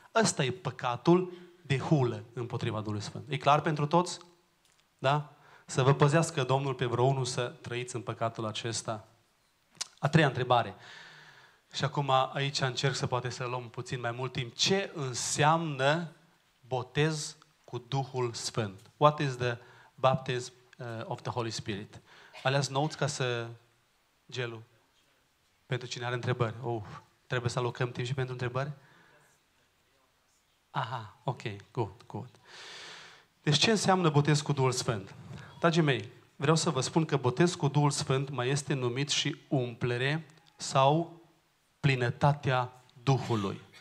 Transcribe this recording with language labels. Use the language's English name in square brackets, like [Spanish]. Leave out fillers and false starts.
[Romanian] Ăsta e păcatul de hulă împotriva Duhului Sfânt. E clar pentru toți? Da? Să vă păzească Domnul pe vreunul să trăiți în păcatul acesta. A treia întrebare. Și acum aici încerc să poate să luăm puțin mai mult timp. Ce înseamnă botez cu Duhul Sfânt? [English] What is the baptism of the Holy Spirit? [Romanian] Aleas notes ca să... Gelu. Pentru cine are întrebări. Trebuie să alocăm timp și pentru întrebări? Aha, ok, [English] good, good. [Romanian] Deci ce înseamnă botez cu Duhul Sfânt? Dragii mei, vreau să vă spun că botez cu Duhul Sfânt mai este numit și umplere sau plinătatea Duhului.